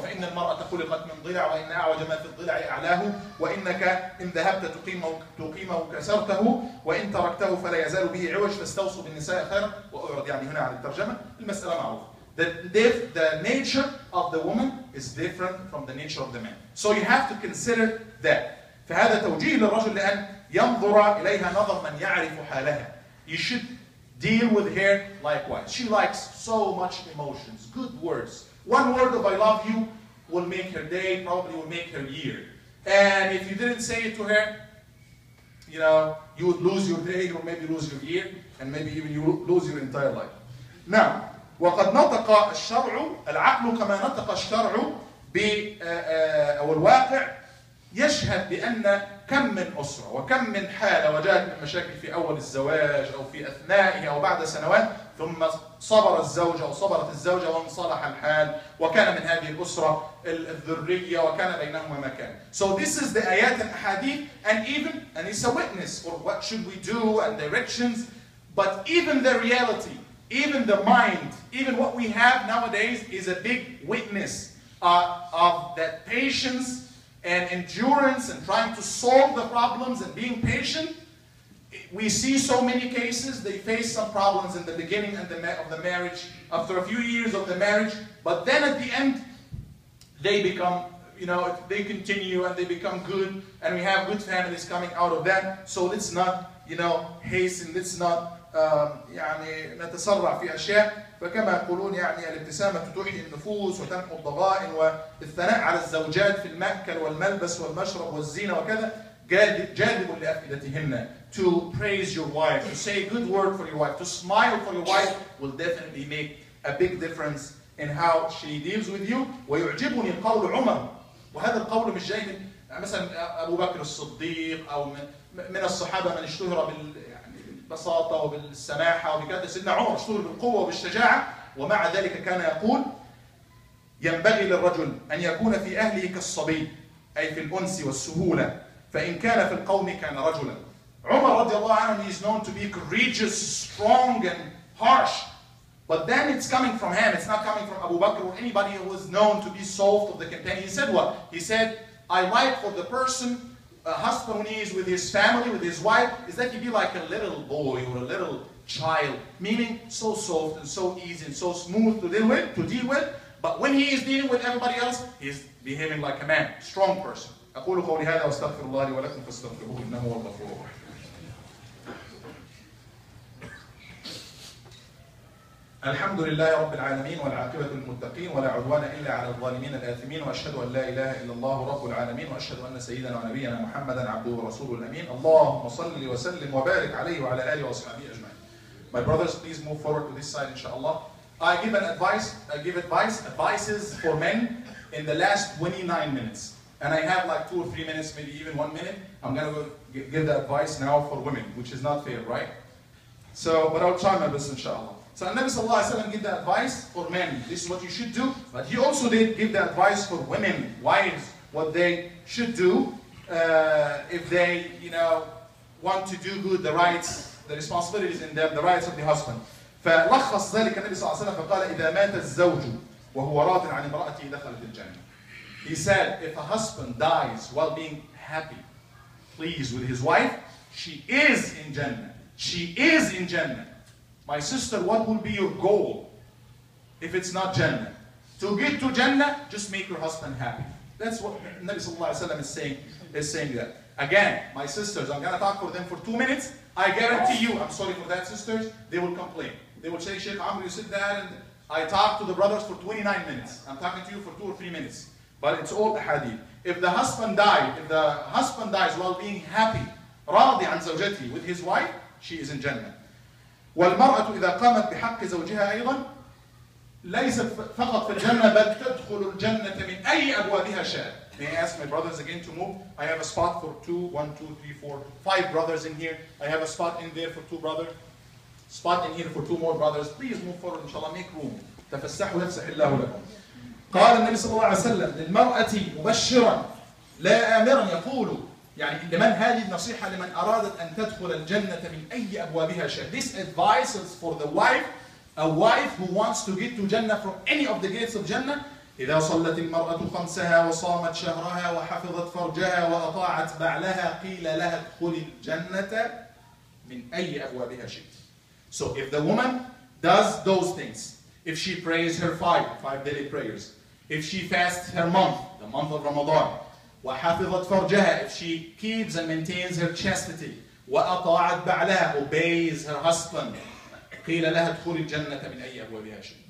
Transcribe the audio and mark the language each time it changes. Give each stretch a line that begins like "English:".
Arabic: فَإِنَّ الْمَرْأَ خُلِقَتْ مِنْ ضِلَعٍ وَإِنَّ أَعْوَجَ مَا فِي الضِّلَعِ أَعْلَاهُ وَإِنَّكَ إِنْ ذَهَبْتَ تُقِيمَهُ كَسَرْتَهُ وَإِنْ تَرَكْتَهُ فَلَا يَزَالُ بِهِ عِوَجٌ فَاسْتَوْصُوا بِالنِّسَاءِ خَيْرًا وَأُعْرِضْ يعني هنا على الترجمة المسألة معروفة.
English: The nature of the woman is different from the nature of the man. So you have to consider that.
Arabic: فهذا توجيه للرجل لأن ينظر إليها نظر من يعرف حالها.
English: You should deal with her likewise. She likes so much emotions, good words. One word of I love you will make her day, probably will make her year. And if you didn't say it to her, you know, you would lose your day or maybe lose your year, and maybe even you lose your entire life. Now,
Arabic: وقد نطق الشرع العقل كما نطق الشرع بالواقع يشهد بأن كم من أسرة وكم من حالة وجاءت من مشاكل في أول الزواج أو في أثنائه أو بعد سنوات ثم صبر الزوجة أو صبرت الزوجة وانصلح الحال وكان من هذه الأسرة الذرية وكان بينهما مكان.
English: So this is the
Arabic: آيات الأحاديث
English: and it's a witness for what should we do and directions, but even the reality, even the mind, even what we have nowadays is a big witness of that patience and endurance and trying to solve the problems and being patient. We see so many cases, they face some problems in the beginning of the marriage, after a few years of the marriage, but then at the end, they become, you know, they continue and they become good, and we have good families coming out of that. So let's not, you know, hasten, let's not,
Arabic: يعني نتسرع في أشياء. فكما يقولون يعني الابتسامة تحيي النفوس وتمحو الضغائن والثناء على الزوجات في المأكل والملبس والمشرب والزينة وكذا جاذب لأفئدتهن.
English: To praise your wife, to say a good word for your wife, to smile for your wife will definitely make a big difference in how she deals with you.
Arabic: ويعجبني قول عمر, وهذا القول مش جاي من مثلا أبو بكر الصديق أو من الصحابة من اشتهر بال بساطة وبالسماحة وبكذا. سيدنا عمر اشتهر بالقوة وبالشجاعة, ومع ذلك كان يقول ينبغي للرجل أن يكون في أهله كالصبي, أي في الأنس والسهولة, فإن كان في القوم كان رجلا. عمر رضي الله عنه,
English: he is known to be courageous, strong and harsh, but then it's coming from him, it's not coming from Abu Bakr or anybody who was known to be soft of the campaign. He said what? He said, I like for the person a husband when he is with his family, with his wife, is that he be like a little boy or a little child, meaning so soft and so easy and so smooth to deal with. But when he is dealing with everybody else, he is behaving like a man, strong person.
Arabic: أقول قولي هذا واستغفر الله لي ولكم فاستغفروه إنه هو الغفور الرحيم. الحمد لله رب العالمين والعاقبة للمتقين ولا عدوان إلا على الظالمين الآثمين, وأشهد أن لا إله إلا الله رب العالمين, وأشهد أن سيدنا ونبينا محمدا عبده ورسوله الأمين. اللهم صل وسلم وبارك عليه وعلى آله وصحبه أجمعين.
English: My brothers, please move forward to this side, inshallah. I give advices for men in the last 29 minutes, and I have like 2 or 3 minutes, maybe even 1 minute. I'm gonna give the advice now for women, which is not fair, right? So, but I'll try my best, inshallah. So the Prophet sallallahu alaihi wasallam gave the advice for men, this is what you should do, but he also did give the advice for women, wives, what they should do if they, you know, want to do good, the rights, the responsibilities in them, the rights of the husband.
Arabic: فلخص ذلك النبي صلى الله عليه وسلم فقال إذا مات الزوج وهو راض عن امرأته دخلت الجنة.
English: He said, if a husband dies while being happy, pleased with his wife, she is in Jannah. She is in Jannah. My sister, what will be your goal if it's not Jannah? To get to Jannah, just make your husband happy. That's what Nabi sallallahu alayhi wa sallam is saying that. Again, my sisters, I'm gonna talk for them for 2 minutes. I guarantee you, I'm sorry for that, sisters, they will complain. They will say, Sheikh Amr, you sit there and I talk to the brothers for 29 minutes. I'm talking to you for 2 or 3 minutes. But it's all hadith. If the husband dies while being happy,
Arabic: راضي عن زوجتي,
English: with his wife, she is in Jannah.
Arabic: والمرأة إذا قامت بحق زوجها أيضا ليست فقط في الجنة بل تدخل الجنة من أي أبوابها شاءت.
English: May I ask my brothers again to move? I have a spot for two, one, two, three, four, five brothers in here. I have a spot in there for two brothers. Spot in here for two more brothers. Please move forward, inshallah, make room.
Arabic: تفسحوا يفسح الله لكم. قال النبي صلى الله عليه وسلم للمرأة مبشرا لا آمرا يقول, يعني لمن هذه النصيحة لمن أرادت أن تدخل الجنة من أي أبوابها شاء.
English: This advice is for the wife A wife who wants to get to Jannah from any of the gates of Jannah.
Arabic: إذا صلت المرأة خمسها وصامت شهرها وحفظت فرجها وأطاعت بعلها قيل لها ادخل الجنة من أي أبوابها شئت.
English: So if the woman does those things, if she prays her five daily prayers, if she fasts her month, the month of Ramadan,
Arabic: وحفظت فرجها,
English: if she keeps and maintains her chastity,
Arabic: وأطاعت بعلها,
English: obeys her husband,
Arabic: قيل لها ادخل الجنة من أي أبوابها شئت.